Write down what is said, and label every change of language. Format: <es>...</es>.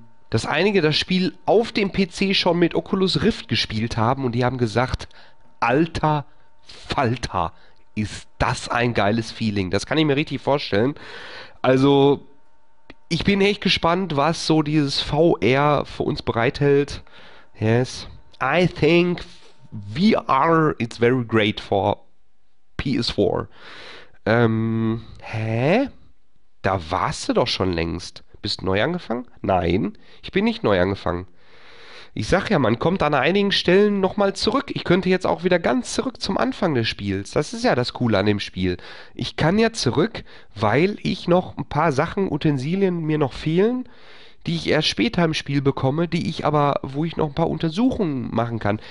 <de>Dass einige das Spiel auf dem PC schon mit Oculus Rift gespielt haben und die haben gesagt, alter Falter, ist das ein geiles Feeling. Das kann ich mir richtig vorstellen. Also... Ich bin echt gespannt, was so dieses VR für uns bereithält.</de> <en>Yes. I think VR is very great for PS4.</en> <de>Da warst du doch schon längst. Bist du neu angefangen? Nein, ich bin nicht neu angefangen. Ich sag ja, man kommt an einigen Stellen nochmal zurück. Ich könnte jetzt auch wieder ganz zurück zum Anfang des Spiels. Das ist ja das Coole an dem Spiel. Ich kann ja zurück, weil ich noch ein paar Sachen, Utensilien mir noch fehlen, die ich erst später im Spiel bekomme, die ich aber, wo ich noch ein paar Untersuchungen machen kann.</de>